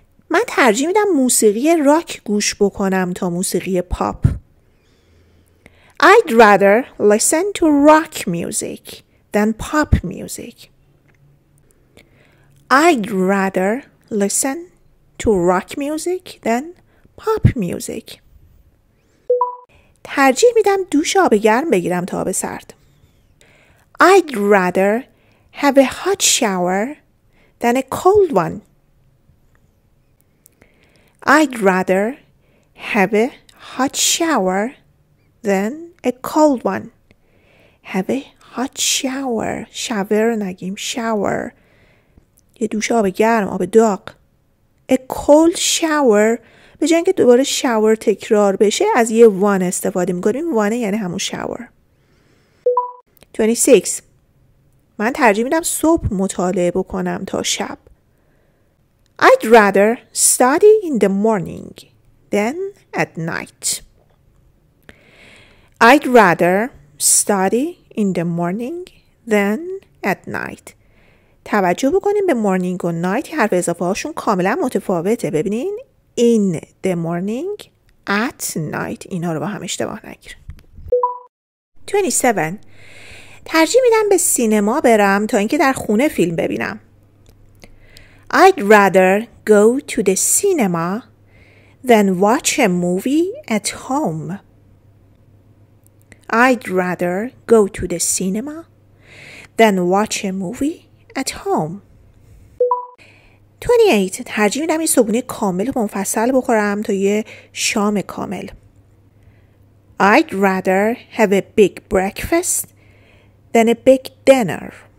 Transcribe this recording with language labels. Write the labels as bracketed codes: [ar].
[fa] من ترجیح میدم موسیقی راک گوش بکنم تا موسیقی پاپ. [en] I'd rather listen to rock music than pop music. I'd rather listen to rock music than pop music. [fa] ترجیح میدم دوش آب گرم بگیرم تا آب سرد. [en] I'd rather have a hot shower than a cold one. I'd rather have a hot shower than a cold one. Have a hot shower. [fa] Shower نگیم. Shower. یه دوش آب گرم. آب داغ. [en] A cold shower. [fa] به جای اینکه دوباره shower تکرار بشه از یه وان استفاده میکنیم. وانه یعنی همون shower. 26. من ترجیح میدم صبح مطالعه بکنم تا شب. [en] I'd rather study in the morning than at night. I'd rather study in the morning than at night. [fa] توجه بکنیم به morning و night حرف اضافه هاشون کاملا متفاوته. ببینین [en] in the morning, at night. [fa] اینا رو با هم اشتباه نگیر. 27. ترجیح میدم به سینما برم تا اینکه در خونه فیلم ببینم. [en] I'd rather go to the cinema than watch a movie at home. I'd rather go to the cinema than watch a movie at home. 28. [fa] ترجیح میدم این صبحونه کامل و منفصل بخورم تا یه شام کامل. [en] I'd rather have a big breakfast than a big dinner.